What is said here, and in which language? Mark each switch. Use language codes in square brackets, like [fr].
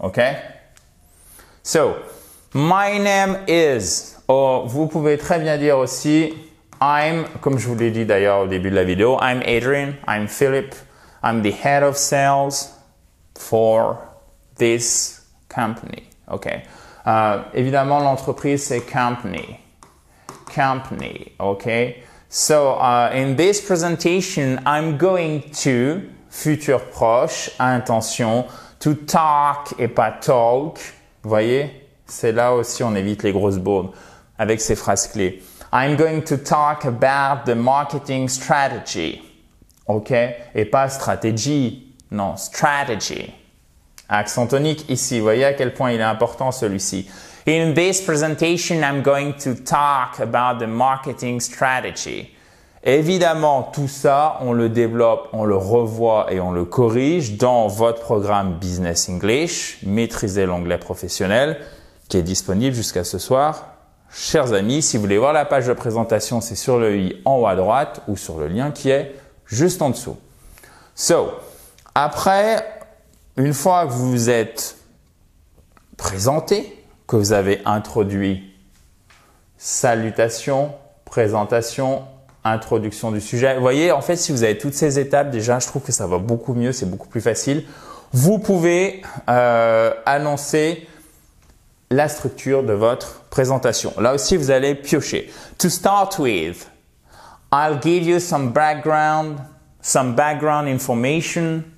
[en] OK ? So, « My name is » or [fr] vous pouvez très bien dire aussi « I'm » comme je vous l'ai dit d'ailleurs au début de la vidéo [en] « I'm Adrian, I'm Philip, I'm the head of sales for this company. » OK. [fr] Évidemment, l'entreprise, c'est company. Company. OK. [en] So, in this presentation, I'm going to, [fr] futur proche, attention, [en] to talk et pas talk. [fr] Vous voyez, c'est là aussi, on évite les grosses bourdes avec ces phrases clés. [en] I'm going to talk about the marketing strategy. [fr] OK. Et pas stratégie. Non, strategy. Accent tonique ici. Vous voyez à quel point il est important celui-ci. [en] In this presentation, I'm going to talk about the marketing strategy. [fr] Évidemment, tout ça, on le développe, on le revoit et on le corrige dans votre programme Business English, maîtriser l'anglais professionnel, qui est disponible jusqu'à ce soir. Chers amis, si vous voulez voir la page de présentation, c'est sur le i en haut à droite ou sur le lien qui est juste en dessous. So, après, une fois que vous vous êtes présenté, que vous avez introduit salutation, présentation, introduction du sujet, vous voyez, en fait, si vous avez toutes ces étapes, déjà, je trouve que ça va beaucoup mieux, c'est beaucoup plus facile. Vous pouvez annoncer la structure de votre présentation. Là aussi, vous allez piocher. [en] To start with, I'll give you some background information.